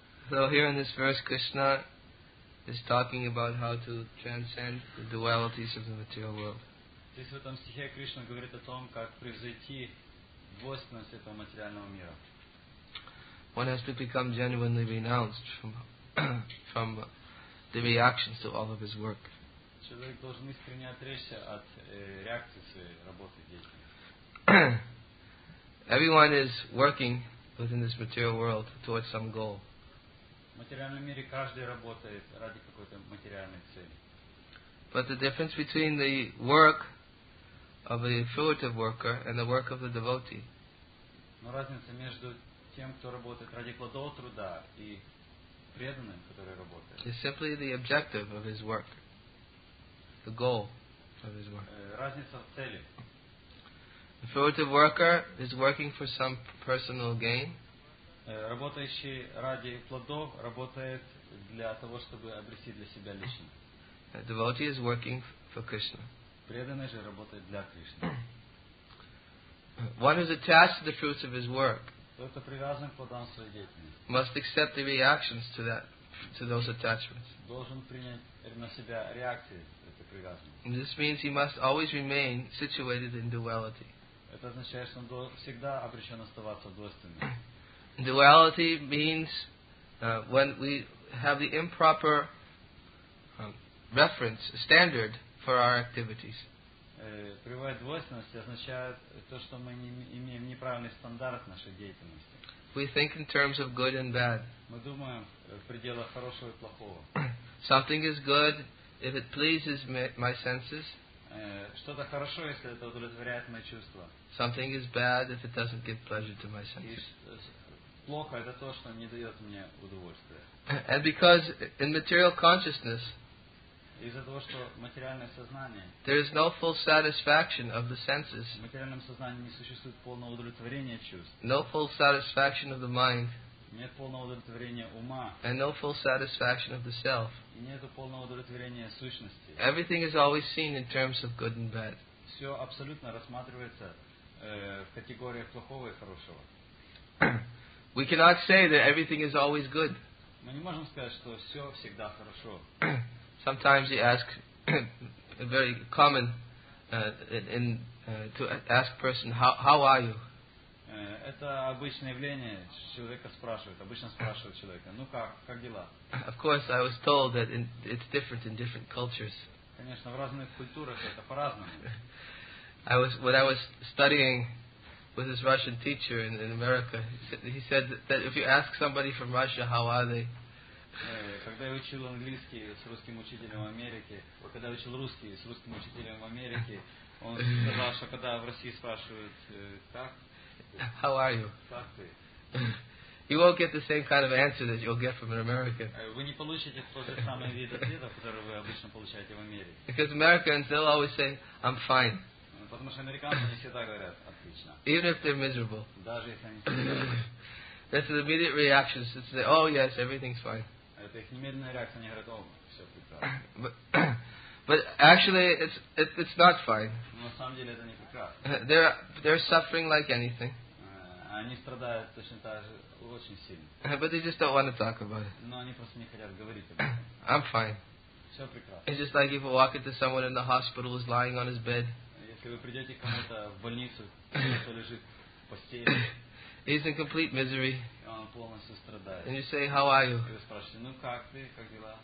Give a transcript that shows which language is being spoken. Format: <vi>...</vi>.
<en>So here in this verse, Krishna is talking about how to transcend the dualities of the material world.</en> <ru>Здесь в этом стихе Кришна говорит о том, как превзойти двойственность этого материального мира.</ru> <en>One has to become genuinely renounced from the reactions to all of his work.</en> <ru>Человек должен искренне отречься от реакции своей работы, деятельности.</ru> <en>Everyone is working within this material world towards some goal.</en> <ru>В материальном мире каждый работает ради какой-то материальной цели.</ru> <en>But the difference between the work of the fruitive worker and the work of the devotee.</en> <ru>Но разница между тем, кто работает ради плодового труда, и преданным, который работает.</ru> <en>It's simply the objective of his work, the goal of his work.</en> <ru>Разница в цели.</ru> <en>The fruitive worker is working for some personal gain.</en> <ru>Работающий ради плодов работает для того, чтобы обрести для себя лично.</ru> <en>A devotee is working for Krishna.</en> <ru>Преданный же работает для Кришны.</ru> <en>One is attached to the fruits of his work.</en> <ru>Кто-то привязан к плодам своей деятельности.</ru> <en>Must accept the reactions to that, to those attachments.</en> <ru>Должен принять на себя реакции этой привязанности.</ru> <en>This means he must always remain situated in duality.</en> <ru>Это означает, что он всегда обречен оставаться в двойственности.</ru> <en>Duality means when we have the improper reference, standard for our activities.</en> <ru>Прибывает двойственность означает то, что мы не имеем неправильный стандарт нашей деятельности.</ru> <en>We think in terms of good and bad.</en> <ru>Мы думаем в пределах хорошего и плохого.</ru> <en>Something is good if it pleases my senses.</en> <ru>Что-то хорошо, если это удовлетворяет мои чувства.</ru> <en>Something is bad if it doesn't give pleasure to my senses.</en> <ru>Плохо это то, что не дает мне удовольствия.</ru> <en>And because in material consciousness,</en> <ru>из-за того, что материальное сознание,</ru> <en>there is no full satisfaction of the senses.</en> <ru>В материальном сознании не существует полного удовлетворения чувств.</ru> <en>No full satisfaction of the mind.</en> <ru>Нет полного удовлетворения ума.</ru> <en>And no full satisfaction of the self.</en> <ru>И нет полного удовлетворения сущности.</ru> <en>Everything is always seen in terms of good and bad.</en> <ru>Все абсолютно рассматривается в категориях плохого и хорошего.</ru> <en>We cannot say that everything is always good.</en> <ru>Мы не можем сказать, что все всегда хорошо.</ru> <en>Sometimes you ask very common to ask person how are you?</en> <ru>Это обычное явление, человека спрашивают, обычно спрашивают человека, ну как дела?</ru> <en>Of course, I was told that it's different in different cultures.</en> <ru>Конечно, в разных культурах это по-разному.</ru> <en>When I was studying with this Russian teacher in America, he said that if you ask somebody from Russia, how are they?</en> <ru>Когда я учил английский с русским учителем в Америке, когда я учил русский с русским учителем в Америке, он сказал, что когда в России спрашивают, как?</ru> <en>How are you? You won't get the same kind of answer that you'll get from an American.</en> <ru>Вы не получите тот же самый вид ответа, который вы обычно получаете в Америке.</ru> <en>Because Americans, they'll always say, I'm fine.</en> <ru>Потому что американцы не всегда говорят отлично.</ru> <en>Even if they're miserable.</en> <ru>Даже если они.</ru> <en>That's an immediate reaction. So they say, oh yes, everything's fine.</en> <ru>Это их немедленная реакция, они говорят, о, все прекрасно.</ru> <en>But actually, it's not fine.</en> <ru>На самом деле это не прекрасно.</ru> <en>They're suffering like anything.</en> <ru>Они страдают точно так же, очень сильно.</ru> <en>But they just don't want to talk about it.</en> <ru>Но они просто не хотят говорить об этом.</ru> <en>I'm fine.</en> <ru>Все прекрасно.</ru> <en>It's just like if you walk into someone in the hospital who's lying on his bed.</en> <ru>Если вы придете к кому-то в больницу, кто лежит в постели.</ru> <en>He's in complete misery.</en> <ru>Он полностью страдает.</ru> <en>And you say, how are you?</en> <ru>И вы спрашиваете, ну как ты, как дела?</ru>